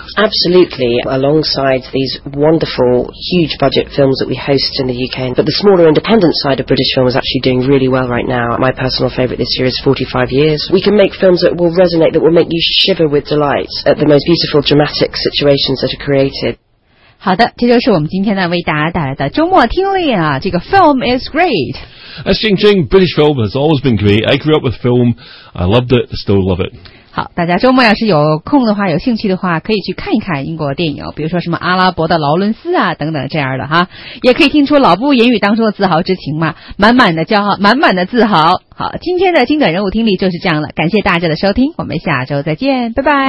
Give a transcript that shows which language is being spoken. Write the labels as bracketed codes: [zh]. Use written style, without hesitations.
[en] Absolutely, alongside these wonderful, huge budget films that we host in the UK. But the smaller independent side of British film is actually doing really well right now. My personal favourite this year is 45 Years. We can make films that will resonate, that will make you shiver with delight at the most beautiful dramatic situations that are created. [zh] 好的，这就是我们今天呢为大家带来的周末听力啊。这个 [en] film is great. As Jing Jing, British film has always been great. I grew up with film. I loved it. Still love it. [zh] 好，大家周末要是有空的话，有兴趣的话，可以去看一看英国电影，比如说什么阿拉伯的劳伦斯啊等等这样的哈，也可以听出老布言语当中的自豪之情嘛，满满的骄傲，满满的自豪。好，今天的精准人物听力就是这样了。感谢大家的收听，我们下周再见，拜拜，